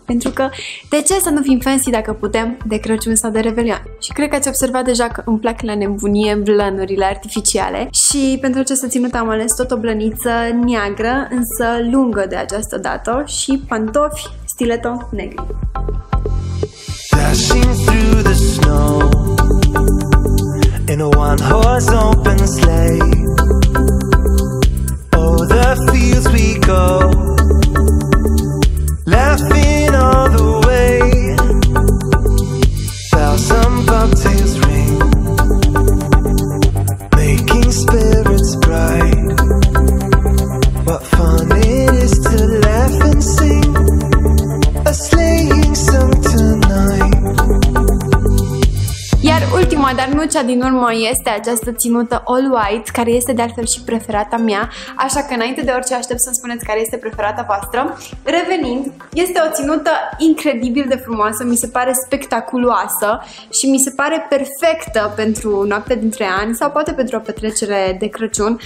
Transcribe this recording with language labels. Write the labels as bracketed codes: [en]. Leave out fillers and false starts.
[ro] Pentru că de ce să nu fim fancy dacă putem de Crăciun sau de Revelion? Și cred că ați observat deja că îmi plac la nebunie blănurile artificiale. Și pentru această ținută am ales tot o blăniță neagră, însă lungă de această dată, și pantofi stiletto negri. [en] Dashing through the snow in a one horse open sleigh. The fields we go, laughing all the way. Thousand bobtails ring, making spirits bright. What fun it is to laugh and sing a sleighing song tonight. [ro] Iar ultima, dar nu cea din urmă, este această ținută all white, care este de altfel și preferata mea, așa că înainte de orice aștept să-mi spuneți care este preferata voastră. Revenind, este o ținută incredibil de frumoasă, mi se pare spectaculoasă și mi se pare perfectă pentru noaptea dintre ani sau poate pentru o petrecere de Crăciun.